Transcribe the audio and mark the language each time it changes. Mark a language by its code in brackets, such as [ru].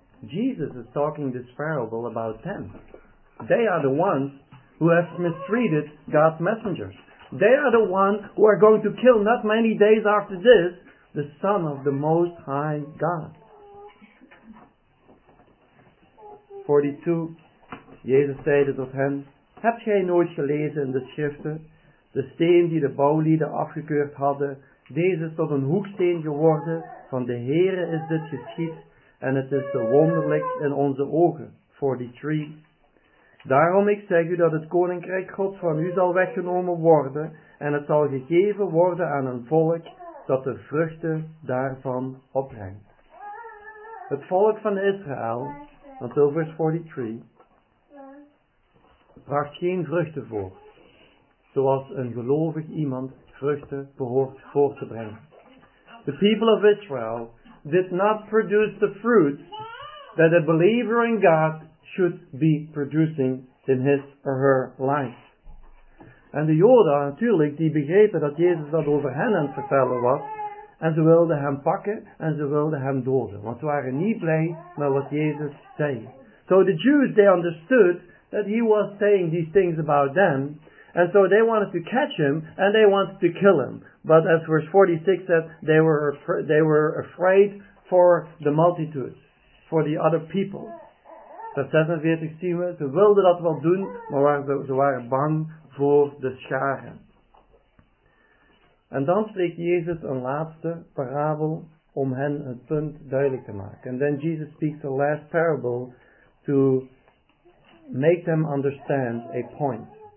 [en] Jesus is talking this parable about them. They are the ones who have mistreated God's messengers. They are the ones who are going to kill, not many days after this, the Son of the Most High God. 42. [nl] Jezus zeide tot hen, heb jij nooit gelezen in de schriften, de steen die de bouwlieden afgekeurd hadden, deze is tot een hoeksteen geworden, van de Heere is dit geschied, en het is te wonderlijk in onze ogen. 43. Daarom ik zeg u dat het koninkrijk Gods van u zal weggenomen worden, en het zal gegeven worden aan een volk dat de vruchten daarvan opbrengt. Het volk van Israël, [en] until verse 43, [nl] bracht geen vruchten voor, zoals een gelovig iemand vruchten behoort voor te brengen. [en] The people of Israel did not produce the fruits that a believer in God should be producing in his or her life. [nl] En de Joden natuurlijk, die begrepen dat Jezus dat over hen aan het vertellen was, en ze wilden hem pakken en ze wilden hem doden, want ze waren niet blij met wat Jezus zei. [en] So the Jews, they understood that he was saying these things about them, and so they wanted to catch him and they wanted to kill him. But as verse 46 said, they were afraid for the multitudes, for the other people. [nl] Vers 46 zien we, ze wilden dat wel doen, maar ze waren bang voor de scharen. En dan spreekt Jezus een laatste parabel om hen het punt duidelijk te maken. [en] And then Jesus speaks the last parable to make them understand a point.